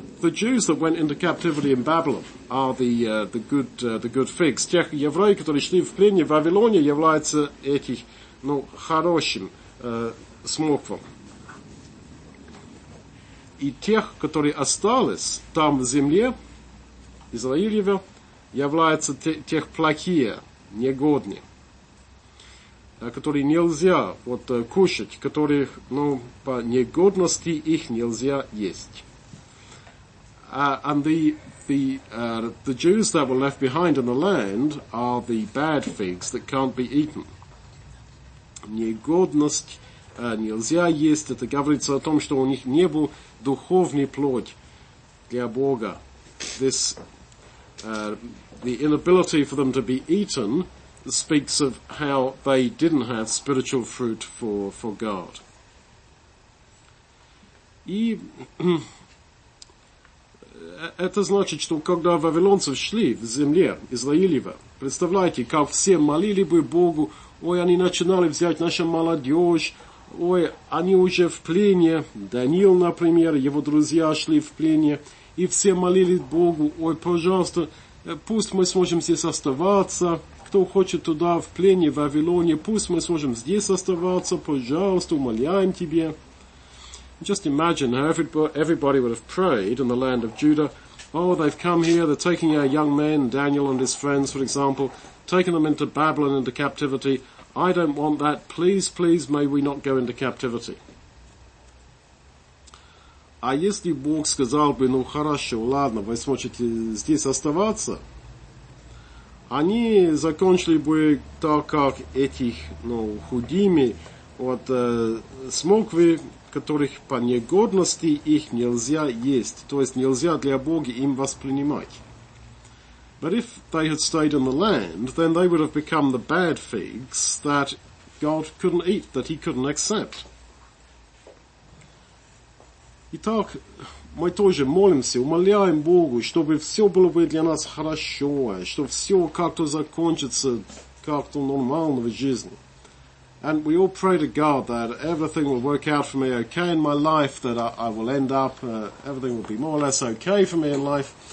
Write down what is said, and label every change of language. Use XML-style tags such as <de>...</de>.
<en>the Jews that went into captivity in Babylon are the good figs.</en> <ru>Тех евреев, которые шли в плен в Вавилоне, являются этих, ну, хорошим смоквом. И тех, которые остались там в земле Израилева, являются тех плохие, негодные, которые нельзя вот кушать, которых, ну, по негодности их нельзя есть.</ru> <en>And the Jews that were left behind in the land are the bad figs that can't be eaten.</en> <ru>Негодность нельзя есть. Это говорится о том, что у них не был духовный плод для Бога.</ru> <en>This the inability for them to be eaten speaks of how they didn't have spiritual fruit for God.</en> <ru>И это значит, что когда вавилонцев шли в земле Израилева, представляете, как все молили бы Богу, ой, они начинали взять нашу молодежь, ой, они уже в плене, Даниил, например, его друзья шли в плене, и все молили Богу, ой, пожалуйста, пусть мы сможем здесь оставаться, кто хочет туда в плене в Вавилоне, пусть мы сможем здесь оставаться, пожалуйста, умоляем тебе.</ru> <en>Just imagine how everybody would have prayed in the land of Judah. Oh, they've come here, they're taking our young men, Daniel and his friends, for example, taking them into Babylon, into captivity. I don't want that. Please, please, may we not go into captivity.</en> <ru>А если Бог сказал бы, ну хорошо, ладно, вы сможете здесь оставаться, они закончили бы так, как этих, ну, худими, вот, смоквы, которых по негодности их нельзя есть, то есть нельзя для Бога им воспринимать.</ru> <en>But if they had stayed in the land, then they would have become the bad figs that God couldn't eat, that he couldn't accept.</en> <ru>Итак, мы тоже молимся, умоляем Богу, чтобы все было бы для нас хорошо, чтобы все как-то закончится как-то нормально в жизни.</ru> <en>And we all pray to God that everything will work out for me okay in my life, that I will end up, everything will be more or less okay for me in life.</en>